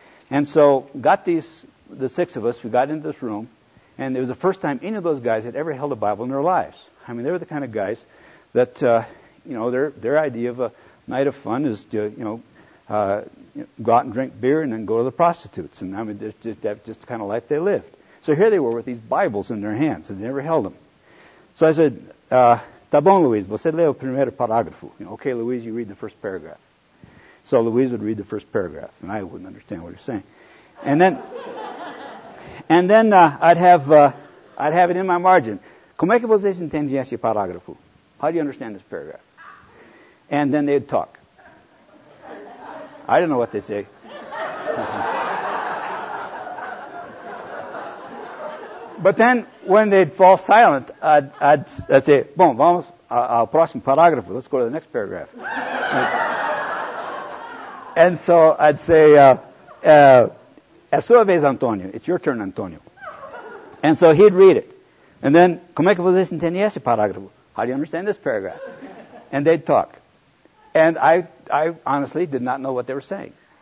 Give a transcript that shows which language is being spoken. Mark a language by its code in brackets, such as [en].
[en] And so got the six of us, we got into this room, and it was the first time any of those guys had ever held a Bible in their lives. I mean, they were the kind of guys that, you know, their idea of a night of fun is to, you know, go out and drink beer and then go to the prostitutes. And I mean, that's just the kind of life they lived. So here they were with these Bibles in their hands, and they never held them. So I said, [pt] tá bom, Luiz, você lê o primeiro parágrafo. [en] You know, okay, Luiz, you read the first paragraph. So Luiz would read the first paragraph, and I wouldn't understand what he was saying. And then I'd have it in my margin. [pt] Como é que vocês entendem esse parágrafo? [en] How do you understand this paragraph? And then they'd talk. I don't know what they say. But then, when they'd fall silent, I'd say, [pt] bom, vamos ao próximo parágrafo. [en] Let's go to the next paragraph. And so I'd say, [pt] a sua vez, [en] Antonio. It's your turn, Antonio. And so he'd read it. And then, [pt] como é que vocês entendem esse parágrafo? [en] How do you understand this paragraph? And they'd talk. And I honestly did not know what they were saying.